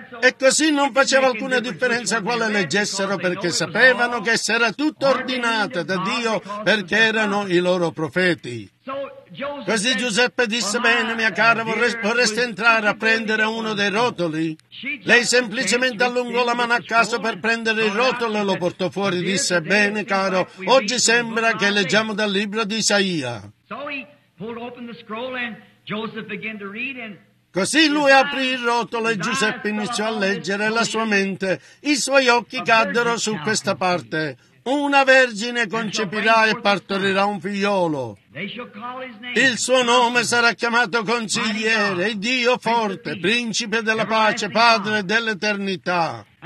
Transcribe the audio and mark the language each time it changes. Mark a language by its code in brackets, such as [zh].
[it] E così non faceva alcuna differenza quale leggessero, perché sapevano che sarà tutto ordinato da Dio perché erano i loro profeti. Così Giuseppe disse: bene, mia cara, vorresti entrare a prendere uno dei rotoli? Lei semplicemente allungò la mano a caso per prendere il rotolo e lo portò fuori. Disse: bene, caro, oggi sembra che leggiamo dal libro di Isaia. [en] So he pulled open the scroll and Joseph began to read and [it] così lui aprì il rotolo e Giuseppe iniziò a leggere. La sua mente, i suoi occhi caddero su questa parte. Una vergine concepirà e partorirà un figliolo. Il suo nome sarà chiamato Consigliere, Dio Forte, Principe della Pace, Padre dell'Eternità.